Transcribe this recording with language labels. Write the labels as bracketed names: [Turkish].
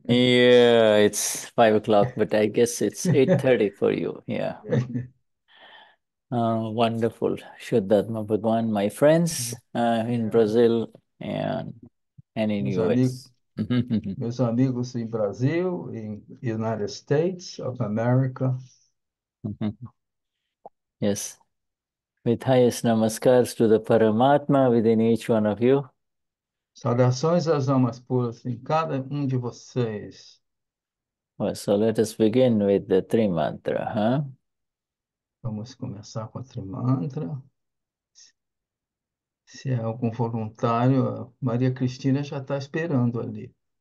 [English] Yeah, it's 5 o'clock, but I guess it's 8:30 for you. Yeah. Wonderful. Shuddhatma Bhagwan, my friends, in Brazil and in US. [Portuguese] Meus amigos em Brasil, em United States of America. [English] Yes. With highest namaskars to the Paramatma within each one of you. [Portuguese] Saudações às almas puras em cada um de vocês. [English] Well, so let us begin with the three mantra, [Portuguese] Vamos começar com a trimantra. Se é algum voluntário, a Maria Cristina já está esperando ali.